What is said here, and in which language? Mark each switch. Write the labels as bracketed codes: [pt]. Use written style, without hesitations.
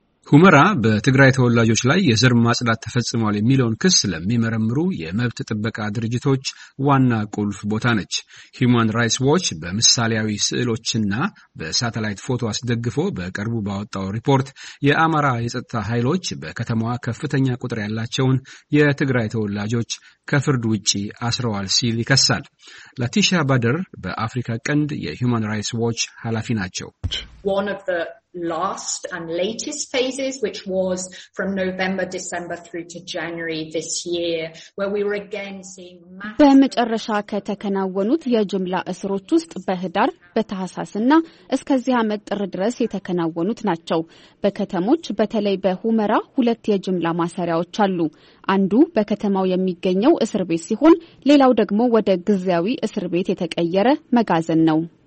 [am] ሁመራ በትግራይ ተወላጆች ላይ የዘር ማጽዳት ተፈጽሟል የሚለውን ክስ ለሚመረምሩ የመብት ጥበቃ ድርጅቶች ዋና ቁልፍ ቦታ ነች። ሂውማን ራይትስ ዎች በምሳሌያዊ ስዕሎችና በሳተላይት ፎቶ አስደግፎ በቅርቡ ባወጣው ሪፖርት የአማራ የጸጥታ ኃይሎች በከተማዋ ከፍተኛ ቁጥር ያላቸውን የትግራይ ተወላጆች ከፍርድ ውጪ አስረዋል ሲል ይከሳል። ላቲሻ ባደር በአፍሪካ ቀንድ የሂውማን ራይትስ ዎች ኃላፊ ናቸው። [en] Last and latest phases, which was from November, December through to January this year, where we were again seeing massive... [am] በመጨረሻ ከተከናወኑት የጅምላ እስሮች ውስጥ በህዳር፣ በታህሳስና እስከዚህ ዓመት ጥር ድረስ የተከናወኑት ናቸው። በከተሞች በተለይ በሁመራ ሁለት የጅምላ ማሰሪያዎች አሉ። አንዱ በከተማው የሚገኘው እስር ቤት ሲሆን፣ ሌላው ደግሞ ወደ ግዚያዊ እስር ቤት የተቀየረ መጋዘን ነው።